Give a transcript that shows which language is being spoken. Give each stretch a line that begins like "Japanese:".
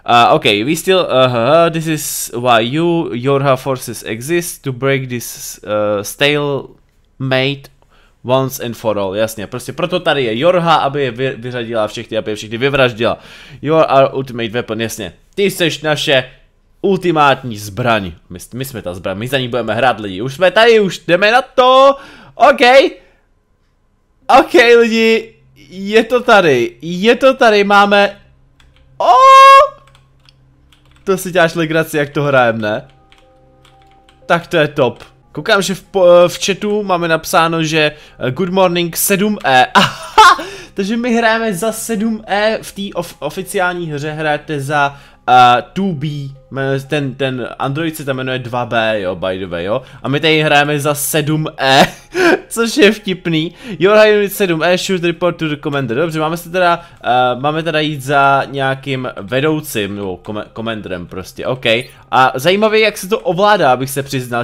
English: OK, we still, this is why you, your forces exist, to break this stalemate Once and for all, jasně.
Czech: Prostě proto tady je Jorha, aby je vyřadila všechny, aby je všechny vyvraždila.
English: You are ultimate weapon,
Czech: jasně. Ty jsi naše ultimátní zbraň. My jsme ta zbraň, my za ní budeme hrát, lidi. Už jsme tady, už jdeme na to. OK. OK, lidi. Je to tady. Je to tady, máme... To si děláš legraci, jak to hrajem, ne? Tak to je top. Koukám, že v chatu máme napsáno, že
English: Good Morning 7E.
Czech: Takže my hrajeme za 7E v té oficiální hře, hrajete za 2B. Ten Android se tam jmenuje 2B, jo,
English: by the way,
Czech: jo. A my tady hrajeme za 7E, což je vtipný.
English: Your High Unit 7E, should report to the commander.
Czech: Dobře, máme teda jít za nějakým vedoucím, nebo commanderem prostě, OK. A zajímavé, jak se to ovládá, abych se přiznal.